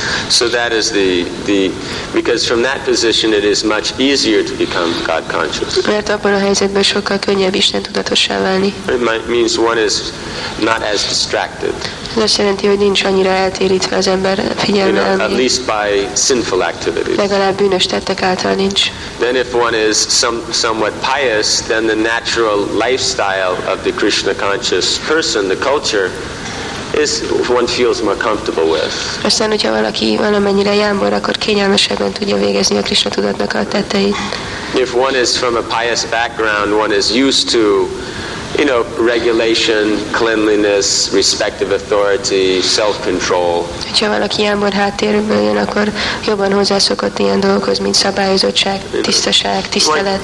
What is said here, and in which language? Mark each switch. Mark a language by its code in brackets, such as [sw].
[en] So that is the because from that position it is much easier to become God conscious. [hu] Mert abban a helyzetben sokkal könnyebb Isten tudatossá válni. [en] It means one is not as distracted. [hu] Ez azt jelenti, hogy nincs annyira eltérítve az ember figyelme. [en] At least by sinful activities. [hu] Legalább bűnös tettek által nincs. [en] Then if one is somewhat pious, then the natural lifestyle of the Krishna conscious person, the culture, is one feels more comfortable with. [hu] Aztán, hogyha valaki valamennyire jámbor, akkor kényelmesebben tudja végezni a Krishna tudatnak a tetteit. [en] If one is from a pious background, one is used to regulation, cleanliness, respect of authority, self-control. [hu] Ha valaki jámbor háttérből jön, akkor jobban hozzászokott ilyen dolgokhoz, mint szabályozottság, tisztaság, tisztelet,